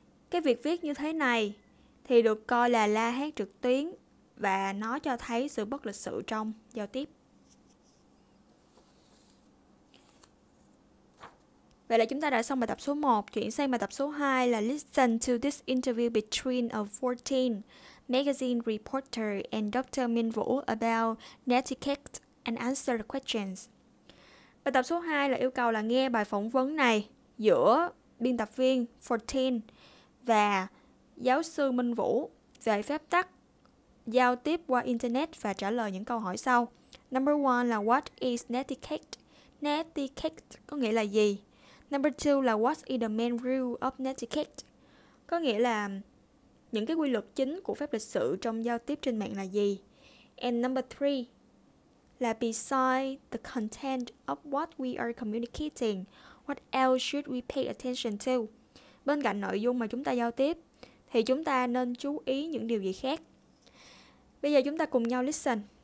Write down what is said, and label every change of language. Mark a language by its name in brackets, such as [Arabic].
[Vietnamese] Cái việc viết như thế này thì được coi là la hét trực tuyến và nó cho thấy sự bất lịch sự trong giao tiếp. Vậy là chúng ta đã xong bài tập số 1, chuyển sang bài tập số 2 là [English] Listen to this interview between a 14 magazine reporter and Dr. Minh Vũ about netiquette and answer the questions. [Vietnamese] Bài tập số 2 là yêu cầu là nghe bài phỏng vấn này giữa biên tập viên 14 và giáo sư Minh Vũ về phép tắc giao tiếp qua Internet và trả lời những câu hỏi sau. [English] Number 1 [Vietnamese] là [English] what is netiquette? [Vietnamese] Netiquette có nghĩa là gì? [English] Number 2 là what is the main rule of netiquette? [Vietnamese] Có nghĩa là những cái quy luật chính của phép lịch sự trong giao tiếp trên mạng là gì? [English] And number 3 là beside the content of what we are communicating, what else should we pay attention to? [Vietnamese] Bên cạnh nội dung mà chúng ta giao tiếp, thì chúng ta nên chú ý những điều gì khác? Bây giờ chúng ta cùng nhau listen.